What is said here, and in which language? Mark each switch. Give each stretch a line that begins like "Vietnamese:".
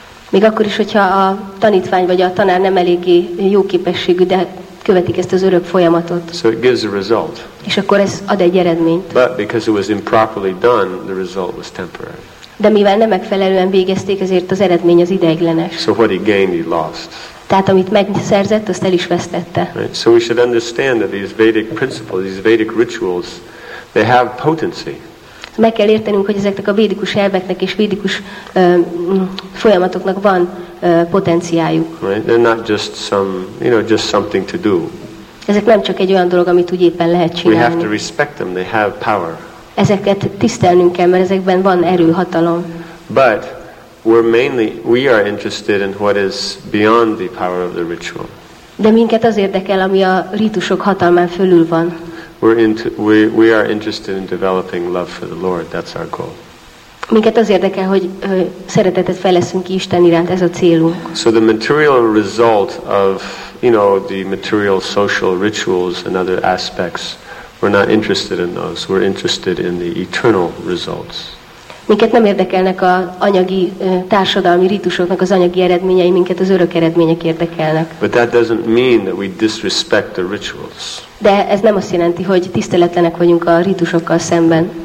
Hungarian: Még akkor is, hogyha a tanítvány vagy a tanár nem eléggé jó képességű, de követik ezt az örök folyamatot.
English: So it gives a result.
Hungarian: És akkor ez ad egy eredményt.
English: But because it was improperly done, the result was temporary.
Hungarian: De mivel nem megfelelően végezték, ezért az eredmény az ideiglenes.
English: So what he gained, he lost.
Hungarian: Tehát amit megszerzett, azt el is vesztette.
English: Right. So we should understand that these Vedic principles, these Vedic rituals, they have potency.
Hungarian: Meg kell értenünk, hogy ezeknek a védikus elveknek és védikus folyamatoknak van potenciájuk.
English: Right. They're not just some, just something to do.
Hungarian: Ezek nem csak egy olyan dolog, amit úgy éppen lehet csinálni.
English: We have to respect them. They have power.
Hungarian: Ezeket tisztelnünk kell, mert ezekben van erő, hatalom.
English: But we are interested in what is beyond the power of the ritual.
Hungarian: De minket az érdekel, ami a rítusok hatalmán fölül van.
English: We are interested in developing love for the Lord. That's our goal.
Hungarian: Minket az érdekel, hogy szeretetet fejleszünk ki Isten iránt, ez a célunk.
English: So the material result of, the material social rituals and other aspects, we're not interested in those. We're interested in the eternal results.
Hungarian: Minket nem érdekelnek a anyagi társadalmi rítusoknak az anyagi eredményei, minket az örök eredmények érdekelnek.
English: But that doesn't mean that we disrespect the rituals.
Hungarian: De ez nem azt jelenti, hogy tiszteletlenek vagyunk a rítusokkal szemben.